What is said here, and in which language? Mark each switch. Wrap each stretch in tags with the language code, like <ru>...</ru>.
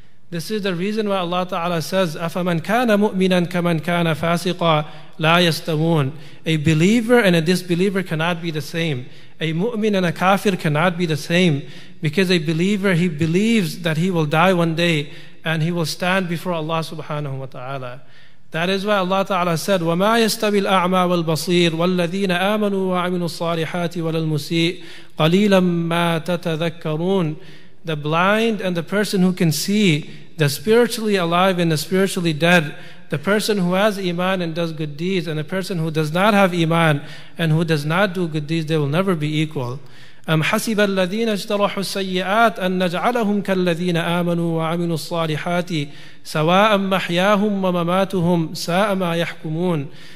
<en>This is the reason why Allah Ta'ala says,</en> <ar>أَفَمَنْ كَانَ مُؤْمِنًا كَمَنْ كَانَ فَاسِقًا لَا يَسْتَوُونَ.</ar> <en>A believer and a disbeliever cannot be the same. A mu'min and a kafir cannot be the same. Because a believer, he believes that he will die one day and he will stand before Allah Subhanahu Wa Ta'ala. That is why Allah Ta'ala said,</en> <ar>وَمَا يَسْتَوِي الْأَعْمَى وَالْبَصِيرُ وَالَّذِينَ آمَنُوا وَعَمِنُوا الصَّالِحَاتِ وَلَلْمُسِيءُ قَلِيلًا مَا تَتَذَكَّرُونَ.</ar> <en>The blind and the person who can see, the spiritually alive and the spiritually dead, the person who has iman and does good deeds, and the person who does not have iman and who does not do good deeds, they will never be equal.</en> <ar>أَمْ حَسِبَ الَّذِينَ اجْتَرَحُوا السَّيِّئَاتِ أَنْ نَجْعَلَهُمْ كَالَّذِينَ آمَنُوا وَعَمِنُوا الصَّالِحَاتِ سَوَاءً مَحْيَاهُمْ وَمَمَاتُهُمْ سَاءَ مَا يَحْكُمُونَ.</ar>